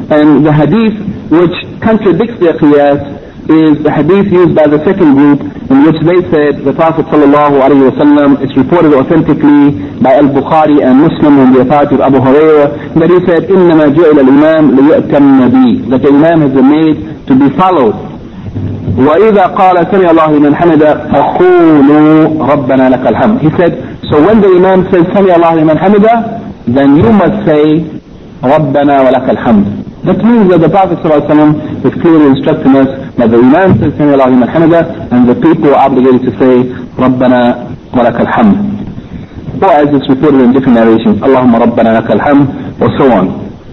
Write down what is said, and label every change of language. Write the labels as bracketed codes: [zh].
[en] And the hadith which contradicts their qiyas is the hadith used by the second group, in which they said the Prophet ﷺ, it's reported authentically by Al-Bukhari and Muslim in the authority of Abu Hurairah, that he said, [ar] إِنَّمَا جُعِلَ الْإِمَامِ لِيَأْتَمْ نَبِيِّ, [en] that the Imam has been made to be followed. [ar] وَإِذَا قَالَ سَمِعَ اللَّهُ لِمَنْ حَمِدَ فَقُولُوا رَبَّنَا لَكَ الْحَمْدُ. [en] He said, so when the Imam says [ar] سَمِعَ اللَّهُ لِمَنْ حَمِدَ, [en] then you must say [ar] ربنا ولك الحمد. [en] That means that the Prophet ﷺ is clearly instructing us that the Imam says Sami Allahu liman hamida, and the people are obligated to say [ar] ربنا ولك الحمد. [en] Or as it's reported in different narrations, [ar] اللهم ربنا لك الحمد, [en] or so on.